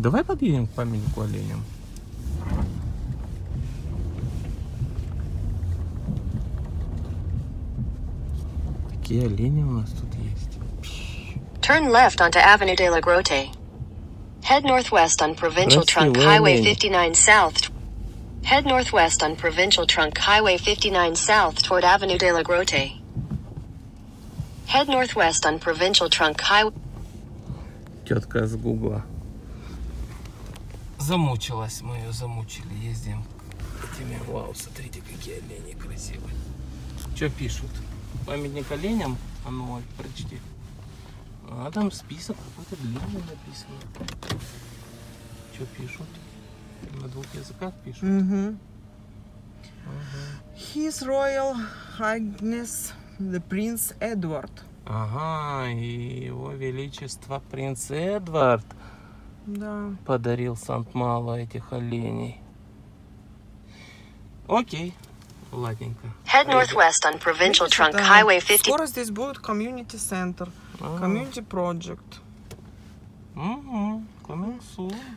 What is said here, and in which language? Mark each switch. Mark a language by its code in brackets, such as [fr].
[ru] Давай подъедем к памятнику оленям. Такие олени у нас тут есть. [en] Turn left onto Avenue de la Grotte. Head northwest on Provincial Trunk Highway 59 South. Head northwest on Provincial Trunk Highway 59 South toward Avenue de la Grotte. Head northwest on Provincial Trunk Highway. [ru] Тетка с Гугла. Замучилась, мы ее замучили. Ездим к теме. Вау, смотрите, какие олени красивые. Что пишут? Памятник оленям? А ну, прочти. А там список какой-то длинный написано. Что пишут? На двух языках пишут. Uh-huh. [en] His Royal Highness, the Prince Edward. [ru] Ага, и его величество принц Эдвард. Да. Подарил Сант-Мало этих оленей. Окей. Ладненько. [en] Head northwest on Provincial Trunk Highway 50. [ru] Скоро здесь будет [en] community center. Community project. [ru] Угу, [en] coming soon.